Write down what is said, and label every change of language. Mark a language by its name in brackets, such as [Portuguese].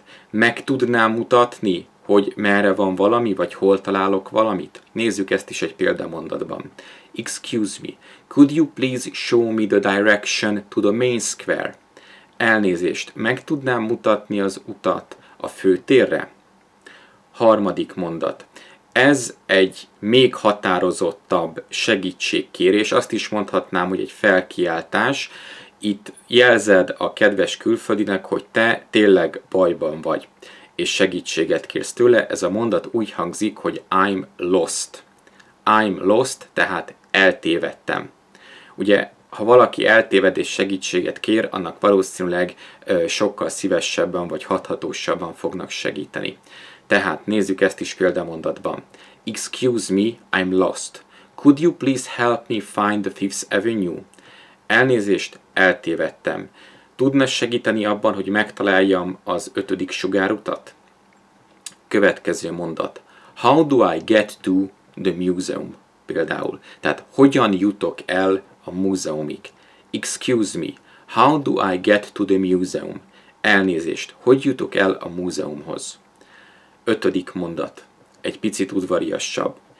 [Hungarian] Meg tudnám mutatni, hogy merre van valami, vagy hol találok valamit? Nézzük ezt is egy példamondatban. [English] Excuse me, could you please show me the direction to the main square? [Hungarian] Elnézést, meg tudnám mutatni az utat a főtérre? Harmadik mondat. Ez egy még határozottabb segítségkérés, azt is mondhatnám, hogy egy felkiáltás. Itt jelzed a kedves külföldinek, hogy te tényleg bajban vagy, és segítséget kérsz tőle. Ez a mondat úgy hangzik, hogy [English] I'm lost. I'm lost, [Hungarian] tehát eltévedtem. Ugye, ha valaki eltéved és segítséget kér, annak valószínűleg sokkal szívesebben vagy hathatósabban fognak segíteni. Tehát nézzük ezt is példamondatban. [English] Excuse me, I'm lost. Could you please help me find the Fifth Avenue? [Hungarian] Elnézést, eltévedtem. Tudna segíteni abban, hogy megtaláljam az ötödik sugárutat? Következő mondat. [English] How do I get to the museum? [Hungarian] Például. Tehát hogyan jutok el a múzeumig. Excuse me, how do I get to the museum? Elnézést, hogy jutok el a múzeumhoz? Ötödik mondat, egy picit udvariasabb.